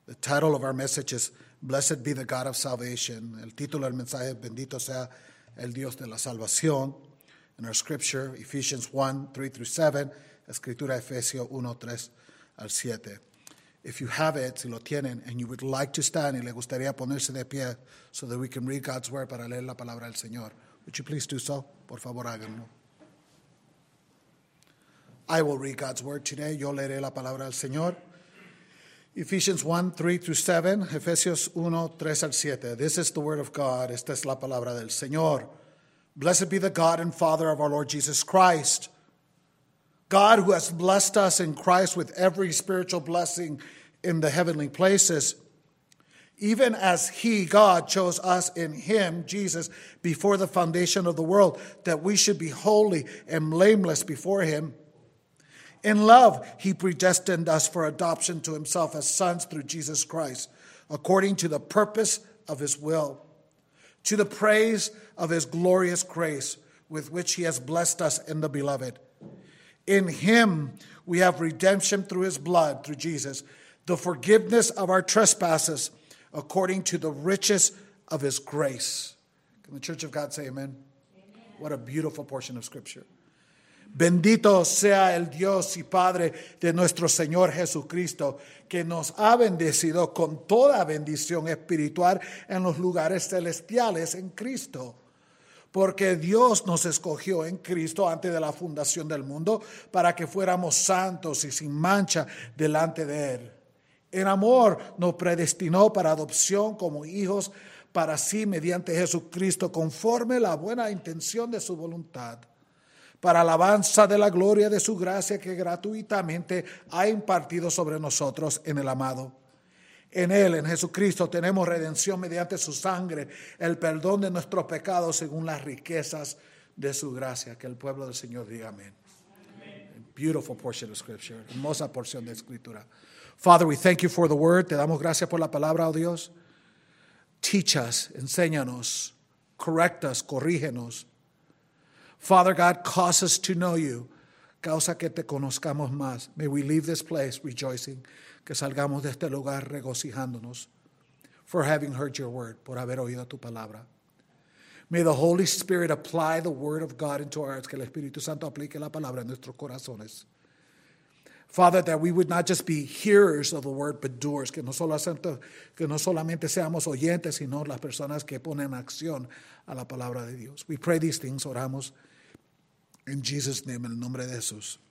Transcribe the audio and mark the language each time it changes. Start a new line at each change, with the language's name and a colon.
English: title of our message is Blessed Be the God of Salvation.
Spanish: El título del mensaje es Bendito Sea el Dios de la Salvación.
English: In our scripture, Ephesians 1:3-7,
Spanish: Escritura Efesios 1:3-7.
English: If you have it,
Spanish: si lo tienen,
English: and you would like to stand,
Spanish: y le gustaría ponerse de pie,
English: so that we can read God's word
Spanish: para leer la palabra del Señor.
English: Would you please do so?
Spanish: Por favor, háganlo.
English: I will read God's word today.
Spanish: Yo leeré la palabra del Señor. Ephesians 1:3-7, Efesios 1:3-7.
English: This is the word of God.
Spanish: Esta es la palabra del Señor.
English: Blessed be the God and Father of our Lord Jesus Christ, God who has blessed us in Christ with every spiritual blessing in the heavenly places, even as he, God, chose us in him, Jesus, before the foundation of the world, that we should be holy and blameless before him. In love, he predestined us for adoption to himself as sons through Jesus Christ, according to the purpose of his will, to the praise of his glorious grace with which he has blessed us in the beloved. In him, we have redemption through his blood, through Jesus, the forgiveness of our trespasses according to the riches of his grace. Can the church of God say amen? Amen. What a beautiful portion of scripture.
Spanish: Bendito sea el Dios y Padre de nuestro Señor Jesucristo, que nos ha bendecido con toda bendición espiritual en los lugares celestiales en Cristo. Porque Dios nos escogió en Cristo antes de la fundación del mundo para que fuéramos santos y sin mancha delante de Él. En amor nos predestinó para adopción como hijos para sí mediante Jesucristo, conforme la buena intención de su voluntad, para alabanza de la gloria de su gracia que gratuitamente ha impartido sobre nosotros en el amado. En Él, en Jesucristo, tenemos redención mediante su sangre, el perdón de nuestros pecados según las riquezas de su gracia. Que el pueblo del Señor diga amén. Amen.
English: Beautiful portion of scripture.
Spanish: Hermosa porción de escritura.
English: Father, we thank you for the word.
Spanish: Te damos gracias por la palabra, oh Dios.
English: Teach us,
Spanish: enséñanos,
English: correct us,
Spanish: corrígenos.
English: Father God, cause us to know you.
Spanish: Causa que te conozcamos más.
English: May we leave this place rejoicing.
Spanish: Que salgamos de este lugar regocijándonos.
English: For having heard your word,
Spanish: por haber oído tu palabra.
English: May the Holy Spirit apply the word of God into our hearts.
Spanish: Que el Espíritu Santo aplique la palabra en nuestros corazones.
English: Father, that we would not just be hearers of the word, but doers.
Spanish: Que no solamente seamos oyentes, sino las personas que ponen acción a la palabra de Dios.
English: We pray these things,
Spanish: oramos.
English: In Jesus' name,
Spanish: en el nombre de Jesús.